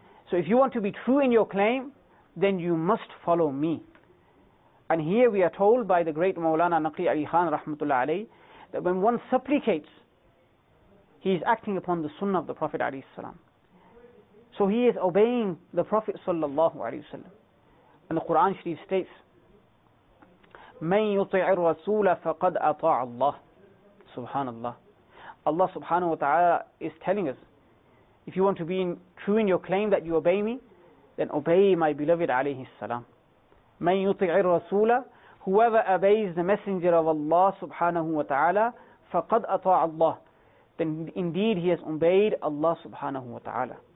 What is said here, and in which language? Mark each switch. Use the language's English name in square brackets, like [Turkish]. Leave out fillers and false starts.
[English] So if you want to be true in your claim, then you must follow me. And here we are told by the great Mawlana Naqi Ali Khan rahmatullah alayhi, that when one supplicates, he is acting upon the sunnah of the Prophet alayhi salam. So he is obeying the Prophet sallallahu alayhi wasallam. [Arabic] And the Quran Sharif states, مَنْ يُطِعِ الرَّسُولَ فَقَدْ أَطَاعَ اللَّهِ. Subhanallah. [English] Allah subhanahu wa ta'ala is telling us, if you want to be true in your claim that you obey me, then obey my beloved alayhi salam. مَنْ يُطِعِ الرَّسُولَ, whoever obeys the messenger of Allah subhanahu wa ta'ala, فَقَدْ أَطَاعَ اللَّهِ, then indeed he has obeyed Allah subhanahu wa ta'ala.